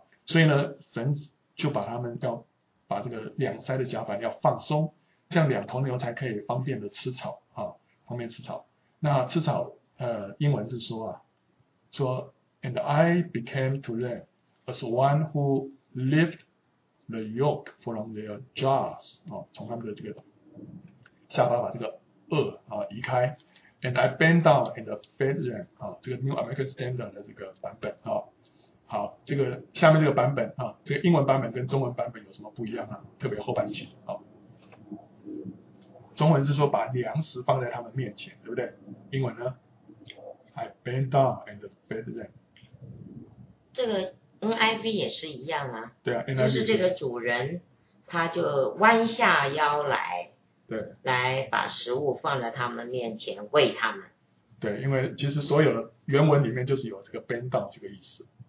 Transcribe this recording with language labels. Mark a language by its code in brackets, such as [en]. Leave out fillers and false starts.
[zh] 所以呢，神就把他们要把这个两腮的甲板要放松，这样两头牛才可以方便的吃草啊，方便吃草。那吃草英文是说 [en] ,and I became to them as one who lifted the yoke from their jaws, [zh] 从他们的这个下巴把这个轭移开 [en] ,and I bent down and fed them, 这个 New American Standard [zh] 的这个版本。好，这个下面这个版本这个英文版本跟中文版本有什么不一样特别后半句中文是说把粮食放在他们面前，对不对？英文呢 [en] ？I bend down and fed them。 [zh] 这个 NIV 也是一样啊。对啊，就是这个主人他就弯下腰来，对，来把食物放在他们面前喂他们。对，因为其实所有的原文里面就是有这个 [en] bend down [zh] 这个意思。